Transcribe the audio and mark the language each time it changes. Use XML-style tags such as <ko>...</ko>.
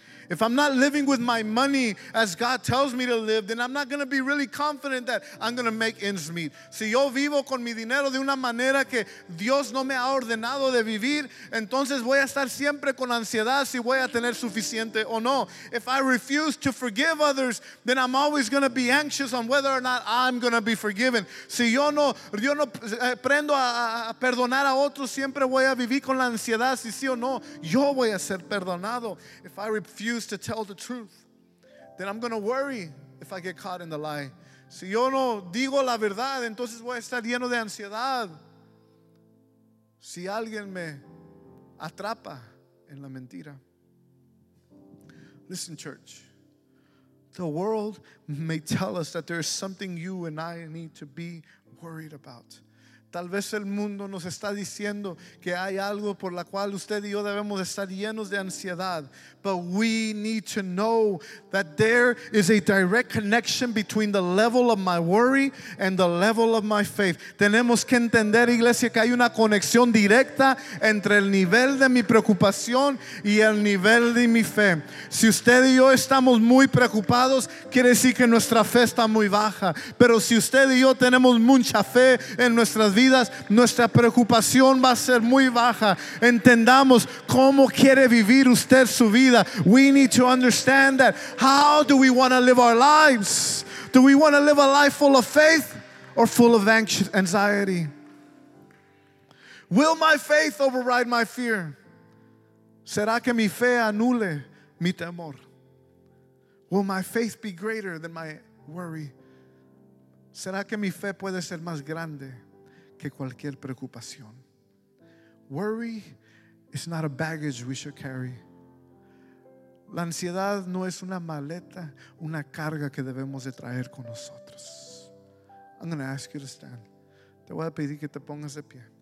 <en>If I'm not living with my money as God tells me to live, then I'm not going to be really confident that I'm going to make ends meet.</en> <es>Si yo vivo con mi dinero de una manera que Dios no me ha ordenado de vivir, entonces voy a estar siempre con ansiedad si voy a tener suficiente o no.</es> <en>If I refuse to forgive others, then I'm always going to be anxious on whether or not I'm going to be forgiven.</en> <es>Si yo no aprendo a perdonar a otros, siempre voy a vivir con la ansiedad si sí o no yo voy a ser perdonado.</es> <en>If I refuse to tell the truth, then I'm going to worry if I get caught in the lie.</en> <es>Si yo no digo la verdad, entonces voy a estar lleno de ansiedad si alguien me atrapa en la mentira.</es> <en>Listen, church. The world may tell us that there is something you and I need to be worried about.</en> <es>Tal vez el mundo nos está diciendo que hay algo por la cual usted y yo debemos estar llenos de ansiedad.</es> <en>But we need to know that there is a direct connection between the level of my worry and the level of my faith.</en> <es>Tenemos que entender, iglesia, que hay una conexión directa entre el nivel de mi preocupación y el nivel de mi fe. Si usted y yo estamos muy preocupados, quiere decir que nuestra fe está muy baja. Pero si usted y yo tenemos mucha fe en nuestras vidas, nuestra preocupación va a ser muy baja. Entendamos cómo quiere vivir usted su vida.</es> <en>We need to understand that. How do we want to live our lives? Do we want to live a life full of faith or full of anxiety? Will my faith override my fear?</en> <es>¿Será que mi fe anule mi temor?</es> <en>Will my faith be greater than my worry?</en> <es>¿Será que mi fe puede ser más grande que cualquier preocupación?</es> <en>Worry is not a baggage we should carry.</en> <es>La ansiedad no es una maleta, una carga que debemos de traer con nosotros.</es> <en>I'm going to ask you to stand.</en> <es>Te voy a pedir que te pongas de pie.</es>